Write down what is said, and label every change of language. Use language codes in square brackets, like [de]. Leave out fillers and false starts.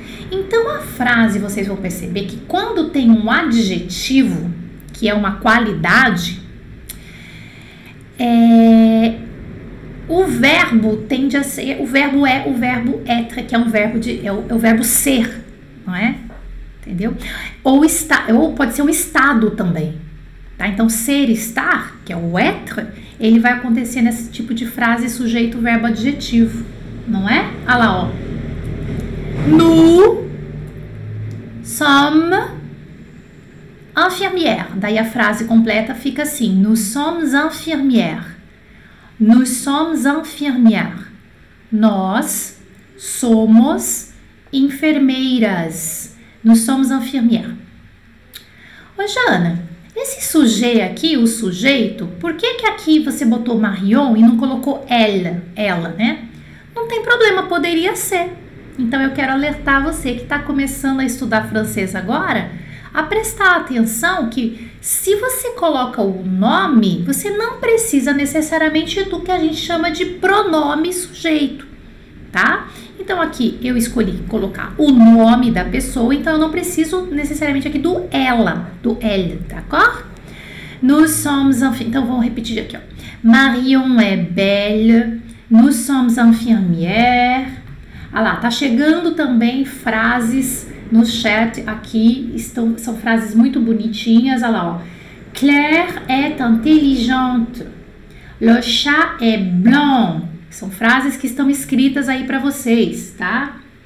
[pt] Então, a frase, vocês vão perceber que quando tem um adjetivo, que é uma qualidade, o verbo tende a ser, o verbo être, que é um verbo de, é o verbo ser, não é? Entendeu? Ou pode ser um estado também, tá? Então, ser, estar, que é o être, ele vai acontecer nesse tipo de frase sujeito, verbo, adjetivo, não é? Olha lá, ó. [fr] Nous sommes infirmières. [pt] Daí a frase completa fica assim. [fr] Nous sommes infirmières. Nous sommes infirmières. [pt] Nós somos enfermeiras. [fr] Nous sommes infirmières. [pt] Ô, Jana, esse sujeito aqui, o sujeito, por que que aqui você botou Marion e não colocou ela, né? Não tem problema, poderia ser. Então, eu quero alertar você que está começando a estudar francês agora a prestar atenção que se você coloca o nome, você não precisa necessariamente do que a gente chama de pronome sujeito, tá? Então, aqui eu escolhi colocar o nome da pessoa, então eu não preciso necessariamente aqui do ela, do elle, d'accord? [fr] Nous sommes infirmières. [pt] Então, vou repetir aqui, ó. Marion é belle. [fr] Nous sommes infirmières. [pt] Ah lá, tá chegando também frases no chat aqui, são frases muito bonitinhas. Ah lá, ó. [fr] Claire est intelligente. Le chat est blanc. [pt] São frases que estão escritas aí para vocês, tá?